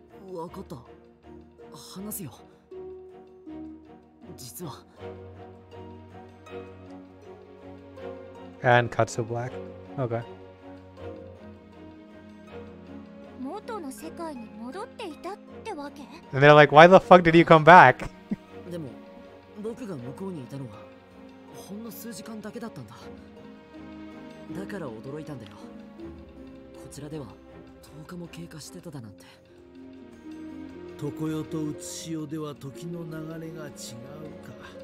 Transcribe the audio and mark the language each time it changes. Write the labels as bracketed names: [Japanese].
[Japanese] ん。わかった。話すよ。実は。 [English] And cut to black. Okay. [Japanese] 世界に戻っていたってわけ? [English] And they're like, why the fuck did you come back? [Japanese] でも、僕が向こうにいたのはほんの数時間だけだったんだ。だから驚いたんだよ。こちらでは10日も経過してただなんて。常世と宇津潮では時の流れが違うか。